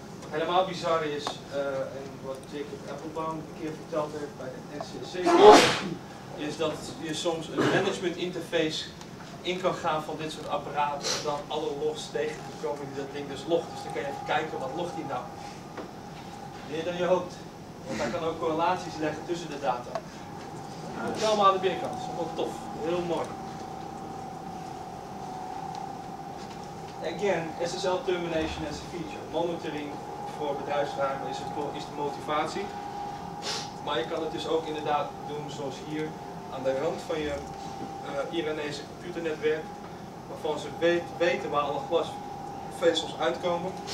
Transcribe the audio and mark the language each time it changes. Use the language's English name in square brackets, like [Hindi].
[Dutch] Helemaal bizar is, en wat Jacob Applebaum een keer verteld heeft bij de NCSC, is dat je soms een management interface in kan gaan van dit soort apparaten en dan alle logs tegen te komen die dat ding dus logt. Dus dan kan je even kijken, wat logt die nou? Meer dan je hoopt. Want hij kan ook correlaties leggen tussen de data. Komt allemaal aan de binnenkant, dat is wel tof. Heel mooi. [English] Again, SSL termination as a feature. [Dutch] Monitoring voor bedrijfsgeheimen is de motivatie. Maar je kan het dus ook inderdaad doen zoals hier aan de rand van je Iranese computernetwerk, waarvan ze weten waar alle glasvezels uitkomen.